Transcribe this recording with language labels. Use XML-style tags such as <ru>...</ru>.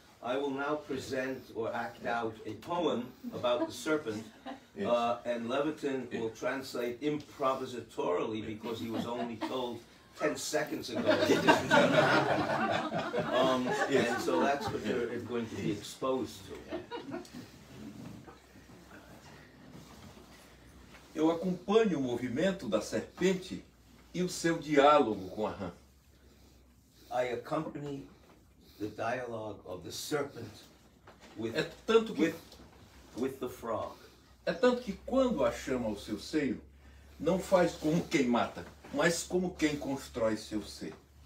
<en>I will now present or act out a poem about the serpent, and Levitin will translate improvisatorily because he was only told 10 seconds ago. And so that's what you're going to be exposed to.</en> <pt>Eu acompanho o movimento da serpente e o seu diálogo com a rã.</pt> <en>I accompany the dialogue of the serpent with,</en> <pt>é tanto que,</pt> <en>with the frog.</en> <pt>É tanto que quando a chama ao seu seio, não faz como quem mata, mas como quem constrói seu ser.</pt>